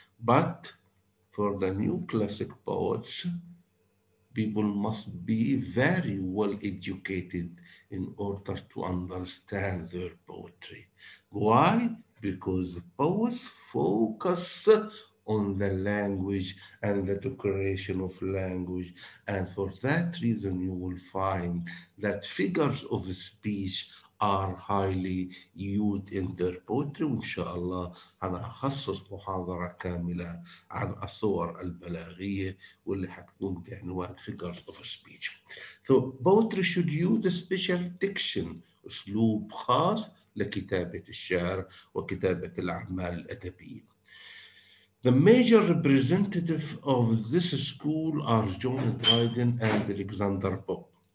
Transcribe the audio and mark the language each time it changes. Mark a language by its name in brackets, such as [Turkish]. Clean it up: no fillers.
[English] But for the Neoclassic poets, people must be very well educated in order to understand their poetry. Why? Because poets focus on the language and the decoration of language. And for that reason, you will find that figures of speech are highly used in their poetry. [Arabic] وإن شاء الله أنا أخصص محاضرة كاملة عن الصور البلاغية واللي حتكون بعنوان [English] figures of speech. So poetry should use a special diction, [Arabic] أسلوب خاص لكتابة الشعر وكتابة الأعمال الأدبية. [English] The major representative of this school are John Dryden and Alexander Pope.